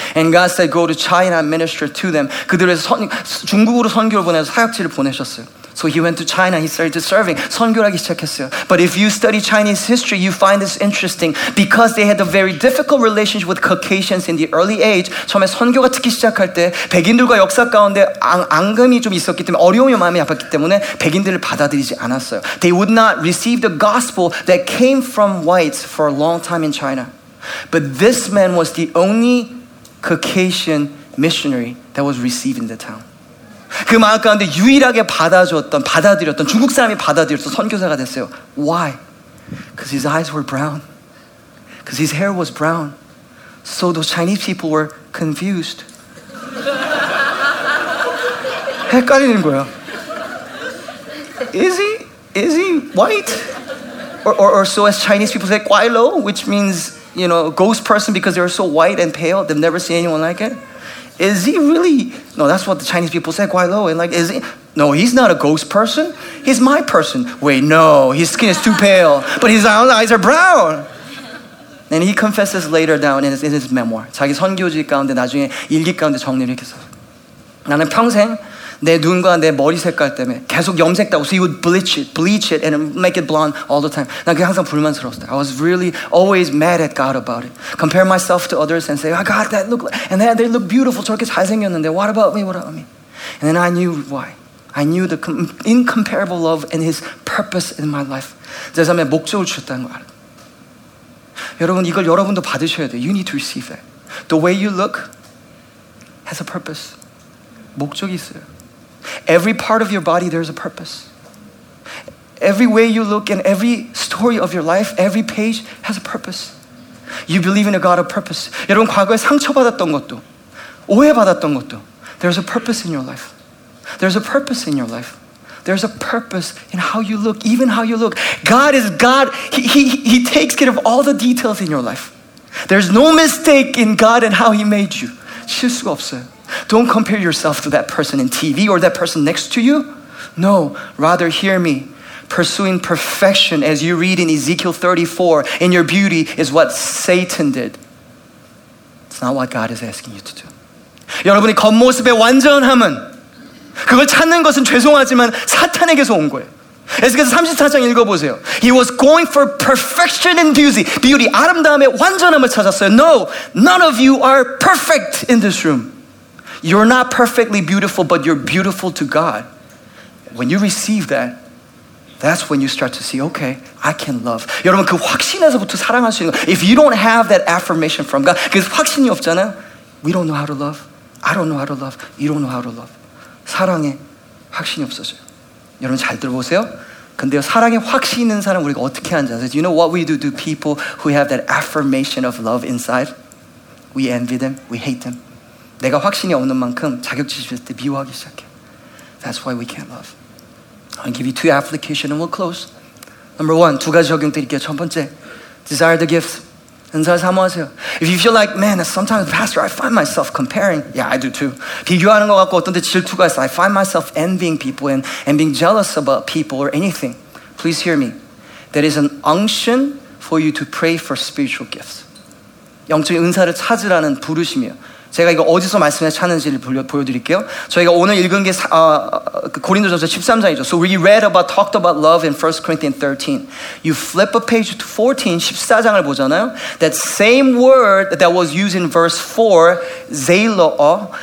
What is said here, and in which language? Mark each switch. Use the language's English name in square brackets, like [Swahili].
[English] And God said, go to China and minister to them. [Korean] 그들을 중국으로 선교를 보내서 사역지를 보내셨어요. [English] So he went to China. He started serving. [Korean] 선교를 하기 시작했어요. [English] But if you study Chinese history, you find this interesting. Because they had a very difficult relationship with Caucasians in the early age. [Korean] 처음에 선교가 특히 시작할 때 백인들과 역사 가운데 앙금이 좀 있었기 때문에 어려움이 마음이 아팠기 때문에 백인들을 받아들이지 않았어요. [English] They would not receive the gospel that came from whites for a long time in China. But this man was the only Caucasian missionary that was received in the town. [Korean] 그 마을 가운데 유일하게 받아줬던, 받아들였던 중국 사람이 받아들였던 선교사가 됐어요. [English] Why? Because his eyes were brown. Because his hair was brown. So those Chinese people were confused. [Korean] 헷갈리는 거야. [English] Is he white? Or so as Chinese people say, 과일로, which means, you know, ghost person because they're so white and pale. They've never seen anyone like it. Is he really? No, that's what the Chinese people say, 과일로. And like, is he? No, he's not a ghost person. He's my person. Wait, no, his skin is too pale. But his own eyes are brown. And he confesses later down in his memoir. [Korean] 자기 선교지 가운데 나중에 일기 가운데 정리를 이렇게 써. 나는 평생 내 눈과 내 머리 색깔 때문에 계속 염색다고. [English] So he would bleach it and make it blonde all the time. [Korean] 난 그게 항상 불만스러웠어. [English] I was really always mad at God about it. Compare myself to others and say, oh God, that look like, and they look beautiful. [Korean] 저렇게 잘생겼는데, [English] what about me? And then I knew why. I knew the incomparable love and his purpose in my life. [Korean] 제 삶에 목적을 주셨다는 걸 알아. 여러분, 이걸 여러분도 받으셔야 돼. [English] You need to receive that. The way you look has a purpose. [Korean] 목적이 있어요. [English] Every part of your body, there's a purpose. Every way you look and every story of your life, every page has a purpose. You believe in a God of purpose. [Korean] 여러분, 과거에 상처받았던 것도, 오해받았던 것도, [English] there's a purpose in your life. There's a purpose in your life. There's a purpose in how you look, even how you look. God is God. He takes care of all the details in your life. There's no mistake in God and how he made you. [Korean] 실수가 없어요. [English] Don't compare yourself to that person in TV or that person next to you. No, rather hear me. Pursuing perfection as you read in Ezekiel 34 in your beauty is what Satan did. It's not what God is asking you to do. [Korean] 여러분의 겉모습의 완전함은 그걸 찾는 것은 죄송하지만 사탄에게서 온 거예요. 에스겔 34장 읽어보세요. [English] He was going for perfection and beauty. Beauty, [Korean] 아름다움의 완전함을 찾았어요. [English] No, none of you are perfect in this room. You're not perfectly beautiful, but you're beautiful to God. When you receive that, that's when you start to see, okay, I can love. [Korean] 여러분, 그 확신에서부터 사랑할 수 있는 거. [English] If you don't have that affirmation from God, [Korean] 그 확신이 없잖아. [English] We don't know how to love. I don't know how to love. You don't know how to love. [Korean] 사랑에 확신이 없어져요. 여러분, 잘 들어보세요. 근데 사랑에 확신 있는 사람 우리가 어떻게 앉아서? [English] You know what we do to people who have that affirmation of love inside? We envy them. We hate them. [Korean] 내가 확신이 없는 만큼 자격지심일 때 미워하기 시작해. [English] That's why we can't love. I'll give you two applications and we'll close. Number one, [Korean] 두 가지 적용 드릴게요. 첫 번째, [English] desire the gifts. [Korean] 은사를 사모하세요. [English] If you feel like, man, sometimes, pastor, I find myself comparing. Yeah, I do too. [Korean] 비교하는 것 같고 어떤 데 질투가 있어. [English] I find myself envying people and being jealous about people or anything. Please hear me. There is an unction for you to pray for spiritual gifts. [Korean] 영적인 은사를 찾으라는 부르심이요. 제가 이거 어디서 말씀해서 찾는지를 보여드릴게요. 저희가 오늘 읽은 게 고린도전서 13장이죠. [English] So we read about, talked about love in 1 Corinthians 13. You flip a page to 14, [Korean] 14장을 보잖아요. [English] That same word that was used in verse 4, 제일러어,